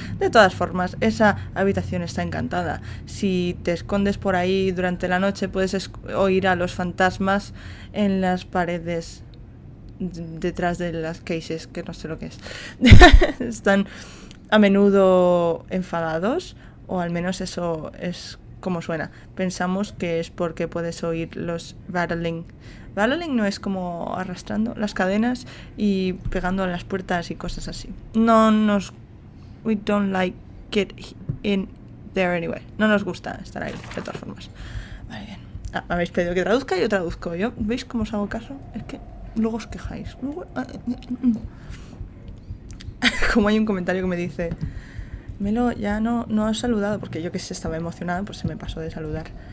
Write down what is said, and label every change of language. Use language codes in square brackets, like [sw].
[es] De todas formas, esa habitación está encantada. Si te escondes por ahí durante la noche, puedes oír a los fantasmas en las paredes detrás de las cases, que no sé lo que es. Están a menudo enfadados, o al menos eso es como suena. Pensamos que es porque puedes oír los rattling. Rattling no es como arrastrando las cadenas y pegando a las puertas y cosas así. No nos... [en] We don't like it in there anyway. [es] No nos gusta estar ahí, de todas formas. Vale, bien. Ah, me habéis pedido que traduzca y yo traduzco. ¿Yo? ¿Veis cómo os hago caso? Es que luego os quejáis. Luego... Como hay un comentario que me dice... Melo, ya no has saludado, porque yo que sé, estaba emocionada, pues se me pasó de saludar.